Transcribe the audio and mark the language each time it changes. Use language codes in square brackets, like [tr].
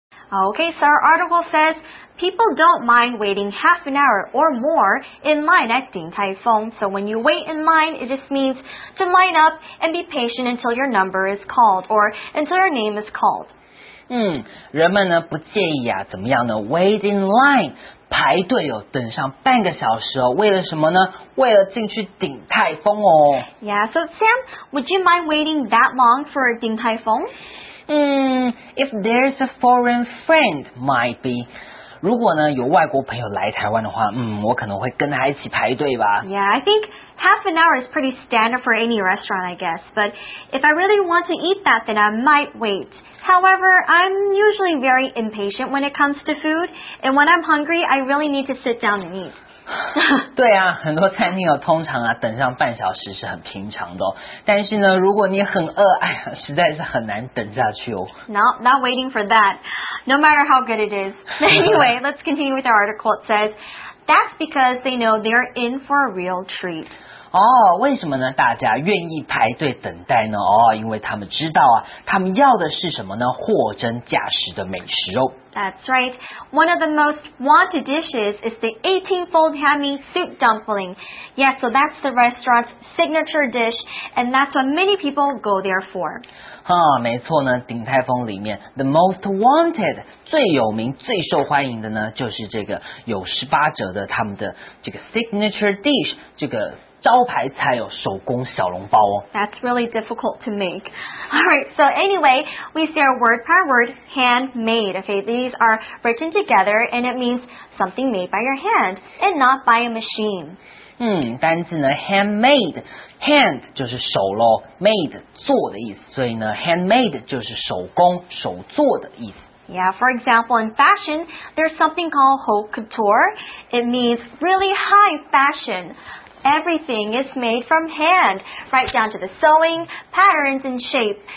[en] Okay, so our article says, people don't mind waiting half an hour or more in line at Ding Tai Fung. So when you wait in line, it just means to line up and be patient until your number is called or until your name is called. [zh] 人们呢不介意啊怎么样呢 [en] wait in line, [zh] 排队哦等上半个小时哦为了什么呢为了进去鼎泰丰哦。 [en] Yeah, so Sam, would you mind waiting that long for Ding Tai Fung? If there's a foreign friend, might be. [zh] 如果呢有外国朋友来台湾的话，我可能会跟他一起排队吧。 [en] Yeah, I think half an hour is pretty standard for any restaurant, I guess. But if I really want to eat that, then I might wait. However, I'm usually very impatient when it comes to food. And when I'm hungry, I really need to sit down and eat. [zh] 对啊，很多餐厅哦，通常啊，等上半小时是很平常的哦。但是呢，如果你很饿，哎呀，实在是很难等下去哦。 [en] Not waiting for that, no matter how good it is. Anyway, let's continue with our article. It says, That's because they know they're in for a real treat. [zh] 哦，为什么呢？大家愿意排队等待呢？哦，因为他们知道啊，他们要的是什么呢？货真价实的美食哦。 [en] That's right. One of the most wanted dishes is the 18-fold hami soup dumpling. Yeah, so that's the restaurant's signature dish, and that's what many people go there for. [zh] 哈，没错呢，鼎泰丰里面 [en] the most wanted [zh] 最有名、最受欢迎的呢，就是这个有18折的他们的这个 [en] signature dish [zh] 这个。招牌菜有手工小笼包哦。 [en] That's really difficult to make. Alright, so anyway, we see our word by word, handmade. Okay, these are written together and it means something made by your hand and not by a machine. [zh] 单字呢 handmade, hand 就是手咯 made 做的意思。所以呢 handmade 就是手工手做的意思。 [en] Yeah, for example, in fashion, there's something called haute couture. It means really high fashion. Everything is made from hand, right down to the sewing, patterns, and shape.